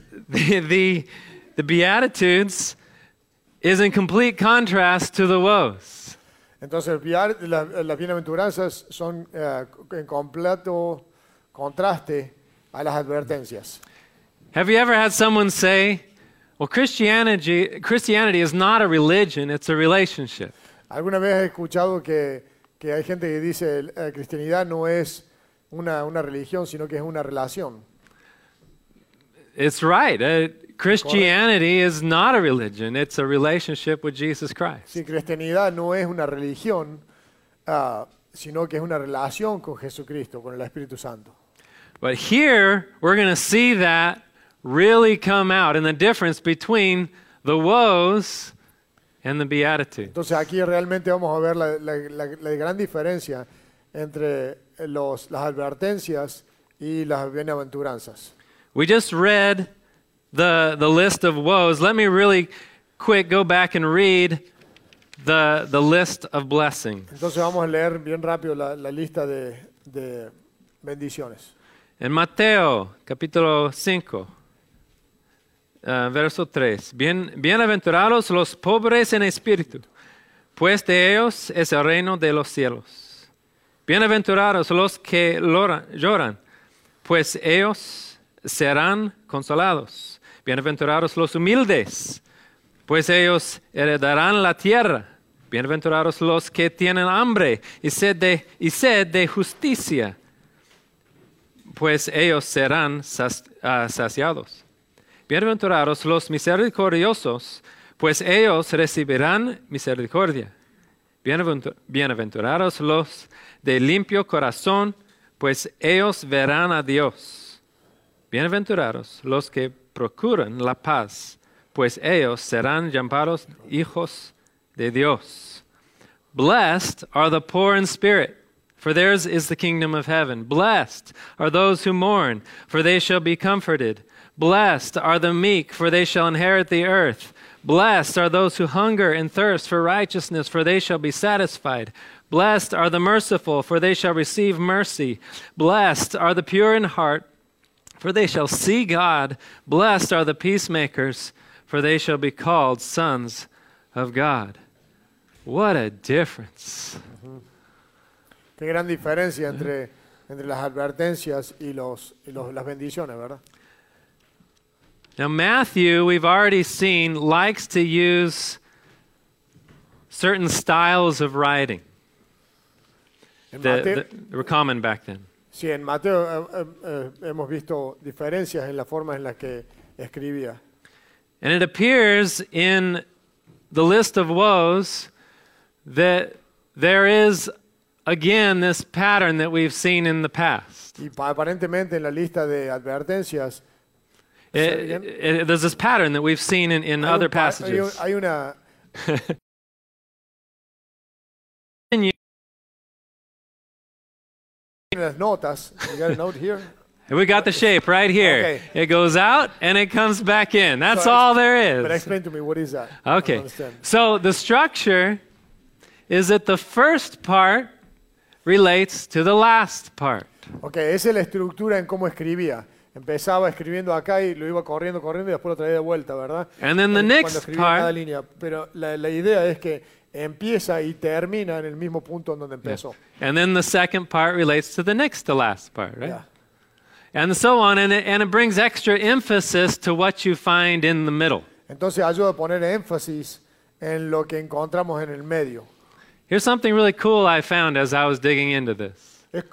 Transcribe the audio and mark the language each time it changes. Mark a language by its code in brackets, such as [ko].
[en] The Beatitudes is in complete contrast to the woes. [es] Entonces, las bienaventuranzas son en completo contraste a las advertencias. [en] Have you ever had someone say, "Well, Christianity is not a religion; it's a relationship"? [es] ¿Alguna vez has escuchado que hay gente que dice la cristianidad no es una religión, sino que es una relación? [en] It's right. Christianity is not a religion. It's a relationship with Jesus Christ. [es] Sí, cristianidad no es una religión, sino que es una relación con Jesucristo, con el Espíritu Santo. [en] But here, we're going to see that really come out in the difference between the woes and the beatitudes. [es] Entonces aquí realmente vamos a ver la gran diferencia entre las advertencias y las bienaventuranzas. [en] We just read the list of woes. Let me really quick go back and read the list of blessings. [es] Entonces vamos a leer bien rápido la lista de bendiciones. En Mateo, capítulo 5, verso 3. Bienaventurados los pobres en espíritu, pues de ellos es el reino de los cielos. Bienaventurados los que lloran, pues ellos serán consolados. Bienaventurados los humildes, pues ellos heredarán la tierra. Bienaventurados los que tienen hambre y sed de justicia, pues ellos serán saciados. Bienaventurados los misericordiosos, pues ellos recibirán misericordia. Bienaventurados los de limpio corazón, pues ellos verán a Dios. Bienaventurados los que procuran la paz, pues ellos serán llamados hijos de Dios. [en] Blessed are the poor in spirit, for theirs is the kingdom of heaven. Blessed are those who mourn, for they shall be comforted. Blessed are the meek, for they shall inherit the earth. Blessed are those who hunger and thirst for righteousness, for they shall be satisfied. Blessed are the merciful, for they shall receive mercy. Blessed are the pure in heart, for they shall see God. Blessed are the peacemakers, for they shall be called sons of God. What a difference. Mm-hmm. [es] Qué gran diferencia entre las advertencias y las bendiciones, ¿verdad? [en] Now Matthew, we've already seen, likes to use certain styles of writing that were common back then. [es] Sí, en Mateo hemos visto diferencias en las formas en las que escribía. [en] And it appears in the list of woes that there is again this pattern that we've seen in the past. [es] Y aparentemente en la lista de advertencias [en] there's this pattern that we've seen in other passages. [es] Hay una notas. [en] You got a note here? We got the shape right here. Okay. It goes out and it comes back in. That's so all there is. But explain to me, what is that? Okay. So the structure is that the first part relates to the last part. [es] Okay, esa es la estructura en cómo escribía. Empezaba escribiendo acá y lo iba corriendo y después lo traía de vuelta, ¿verdad? [en] And then the next part. [es] Cada línea. Pero la idea es que empieza y termina en el mismo punto donde empezó. [en] Yeah. And then the second part relates to the next to last part, right? Yeah. And so on, and it brings extra emphasis to what you find in the middle. [es] Entonces ayuda a poner énfasis en lo que encontramos en el medio. [en] Here's something really cool I found as I was digging into this.